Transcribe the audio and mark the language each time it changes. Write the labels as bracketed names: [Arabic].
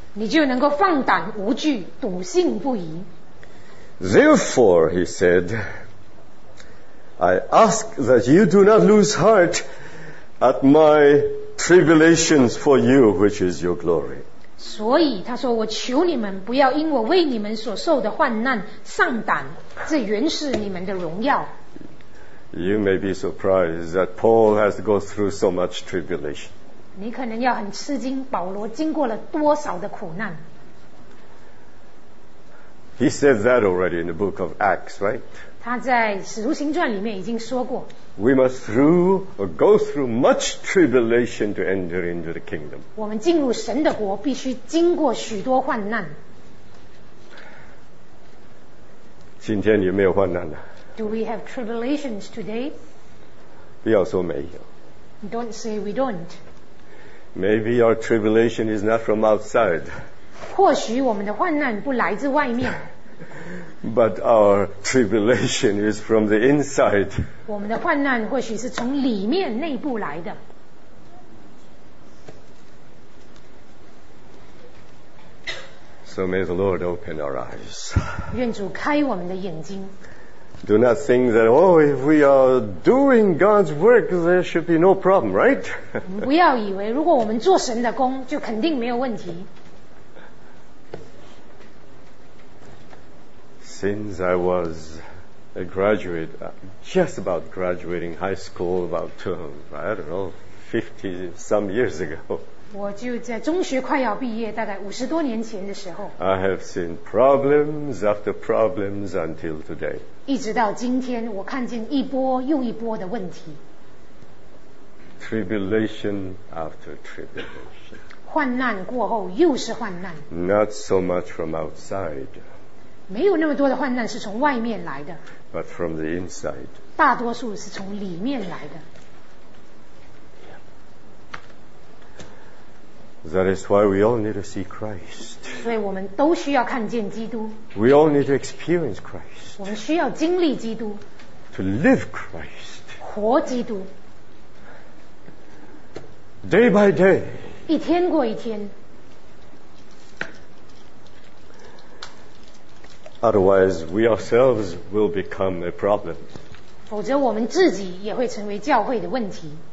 [Chinese] 你就能够放胆无惧，笃信不疑。 [English] Therefore, he said, I ask that you do not lose heart at my tribulations for you, which is your glory. [Chinese] 所以他说，我求你们不要因我为你们所受的患难丧胆，这原是你们的荣耀。 [English] You may be surprised that Paul has to go through so much tribulation. [Chinese] 你可能要很吃惊，保罗经过了多少的苦难。 [English] He said that already in the book of Acts, right? [Chinese] 他在《使徒行传》里面已经说过。 [English] We must through or go through much tribulation to enter into the kingdom. [Chinese] 我们进入神的国必须经过许多患难。今天有没有患难呢？ [English] Do we have tribulations today? [Chinese] 不要说没有。 [English] Don't say we don't. Maybe our tribulation is not from outside. [Chinese] 或许我们的患难不来自外面。 [English] But our tribulation is from the inside. [Chinese] 我们的患难或许是从里面内部来的。 [English] So may the Lord open our eyes. [Chinese] 愿主开我们的眼睛。 [English] Do not think that, oh, if we are doing God's work, there should be no problem, right? [Chinese] 不要以为如果我们做神的工，就肯定没有问题。 [English] Since I was a graduate, just about graduating high school, about, I don't know, 50 some years ago. [Chinese] 我就在中学快要毕业，大概五十多年前的时候。 [English] I have seen problems after problems until today. [Chinese] 一直到今天，我看见一波又一波的问题。 [English] Tribulation after tribulation. [Chinese] 患难过后又是患难。 [English] Not so much from outside. [Chinese] 没有那么多的患难是从外面来的。 [English] But from the inside. [Chinese] 大多数是从里面来的。 [English] That is why we all need to see Christ. [Chinese] 所以我们都需要看见基督。 [English] We all need to experience Christ. [Chinese] 我们需要经历基督。 [English] To live Christ. [Chinese] 活基督。 [English] Day by day. [Chinese] 一天过一天。 [English] Otherwise, we ourselves will become a problem. [Chinese] 否则我们自己也会成为教会的问题。